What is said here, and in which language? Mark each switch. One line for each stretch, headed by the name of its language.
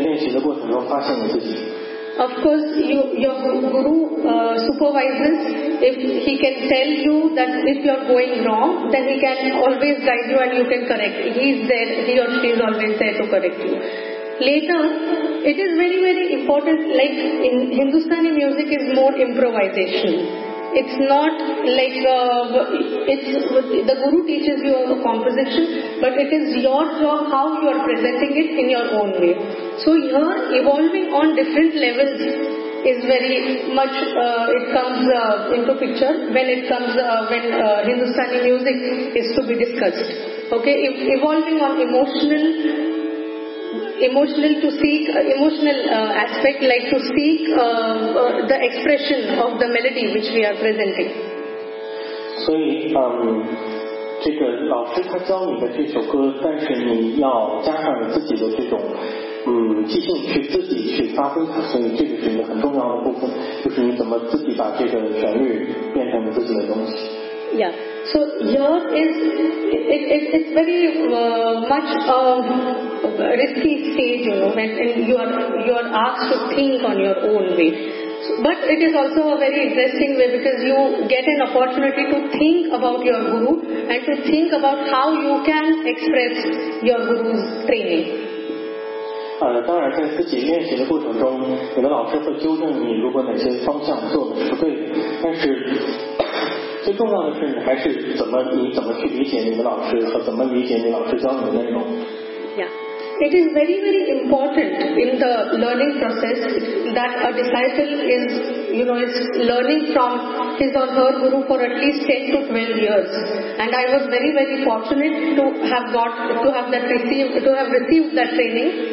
Chinese: 所以我认为这个VR真正的意思不是你们老师教你去做这个去做那个，而是在这个练习的过程中发现你自己。Of
English: course, your guru supervises. If he can tell you that if you are going wrong, then he can always guide you and you can correct. He is there. He or she is always there to correct you. Later, it is very very important, like in Hindustani music is more improvisation. It's not like the guru teaches you a composition, but it is your job how you are presenting it in your own way. So here, evolving on different levels is very much, it comes into picture when it comes, when Hindustani music is to be discussed. Okay, evolving on emotional aspect, like to seek the expression of the melody which we are presenting.
Chinese: So, 这个老师他教你的这首歌，但是你要加上自己的这种即兴去自己去发挥它，所以这个是一个很重要的部分，就是你怎么自己把这个旋律变成了自己的东西。
English: Yeah, so here is it's very much risky stage, you know, when you are asked to think on your own way. But it is also a very interesting way because you get an opportunity to think about your guru and to think about how you can express your guru's training.
Chinese: 当然在自己练习的过程中，你的老师会纠正你，如果哪些方向做的不对，但是。最重要的是还是你怎么去理解你的老师和怎么理解你老师教你的内容。
English: It is very, very important in the learning process that a disciple is, you know, is learning from his or her guru for at least 10 to 12 years. And I was very, very fortunate to have got, to have received that training.